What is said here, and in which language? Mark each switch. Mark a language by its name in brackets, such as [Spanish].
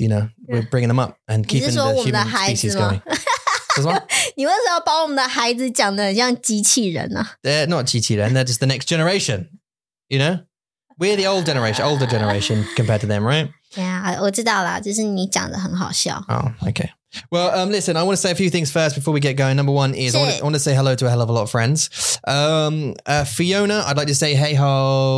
[English] You know, we're bringing them up and keeping the human species going. [Chinese] 什么？你为什么要把我们的孩子讲得很像机器人呢、啊、 [English] They're not 机器人 They're just the next generation You know We're the old generation Older generation Compared to them right [Chinese] Yeah 我知道啦就是你讲得很好笑 [English] Oh okay Well listen I want to say a few things first Before we get going Number one is I want to say hello to a hell of a lot of friends Fiona I'd like to say hey ho